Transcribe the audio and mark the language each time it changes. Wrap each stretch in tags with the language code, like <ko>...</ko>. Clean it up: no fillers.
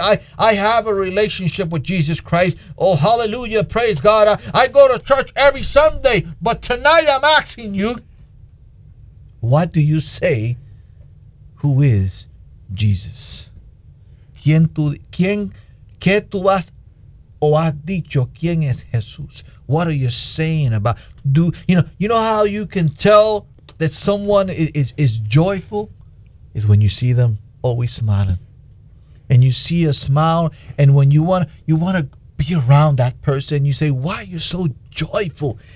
<en>I have a relationship with Jesus Christ. Oh, hallelujah, praise God. I go to church every Sunday. But tonight I'm asking you, what do you say, who is Jesus?</en> <es>¿Qué tú vas o has dicho quién es Jesús?</es> <en>What are you saying about? Do you know how you can tell that someone is joyful? Is when you see them always smiling, and you see a smile, and when you want to be around that person, you say, "Why are you so joyful?"</en>